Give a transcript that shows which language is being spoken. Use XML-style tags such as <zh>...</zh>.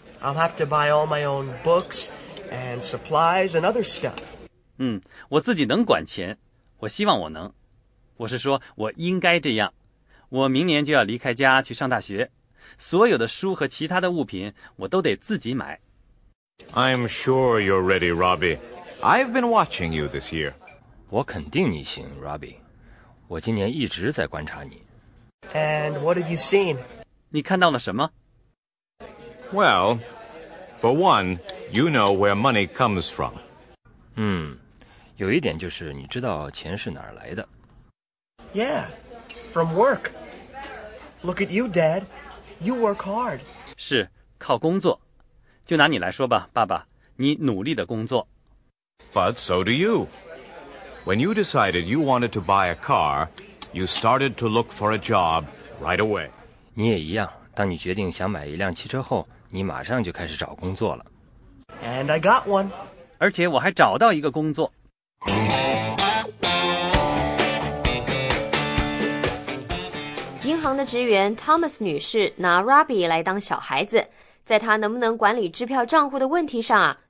<en>I'll have to buy all my own books and supplies and other stuff.</en> <zh>我自己能管钱，我希望我能。我是说我应该这样。我明年就要离开家去上大学，所有的书和其他的物品我都得自己买。</zh> <en>I'm sure you're ready, Robbie. I've been watching you this year.</en> <zh>我肯定你行 ，Robbie。我今年一直在观察你。</zh> <en>And what have you seen?</en> <zh>你看到了什么？</zh> <en>Well, for one, you know where money comes from.</en> <zh>有一点就是你知道钱是哪儿来的。</zh> <en>Yeah, from work. Look at you, Dad. You work hard.</en> <zh>是，靠工作。就拿你来说吧，爸爸，你努力的工作。</zh> <en>But so do you. When you decided you wanted to buy a car,You started to look for a job right away.</en> <zh>你也一样，当你决定想买一辆汽车后，你马上就开始找工作了。</zh> <en>And I got one.</en> <zh>而且我还找到一个工作。银行的职员 Thomas 女士拿 Robbie 来当小孩子，在他能不能管理支票账户的问题上啊，</zh>